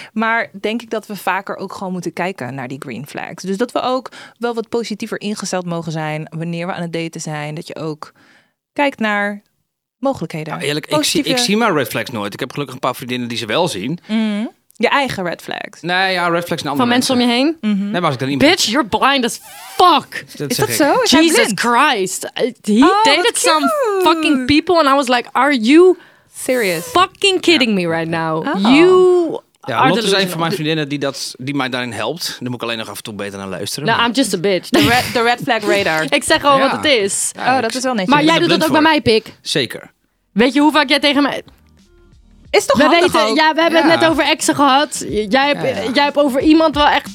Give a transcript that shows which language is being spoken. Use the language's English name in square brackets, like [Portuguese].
[Dutch] Maar denk ik dat we vaker ook gewoon moeten kijken naar die green flags. Dus dat we ook wel wat positiever ingesteld mogen zijn wanneer we aan het daten zijn. Dat je ook kijkt naar mogelijkheden. Nou, eerlijk, ik zie mijn red flags nooit. Ik heb gelukkig een paar vriendinnen die ze wel zien. Mm. Je eigen red flags. Nee, ja, red flags en andere van mensen om je heen. Mm-hmm. Nee, maar als ik dan niet. [English] Bitch, you're blind as fuck. [Dutch] Is dat zo? Is [English] Jesus Christ. He dated some fucking people and I was like, are you serious? Fucking kidding me right now. Oh. You. [Dutch] Ja, Lotte is een van mijn vriendinnen die mij daarin helpt. Dan moet ik alleen nog af en toe beter naar luisteren. Nou, [English] I'm just a bitch. The red flag radar. [Dutch] Ik zeg gewoon wat het is. Ja, oh, dat is wel netjes. Maar jij doet dat ook bij mij, Pik. Zeker. Weet je hoe vaak jij tegen mij. Is toch handig weten, ook? Ja, we hebben het net over exen gehad. Jij hebt over iemand wel echt...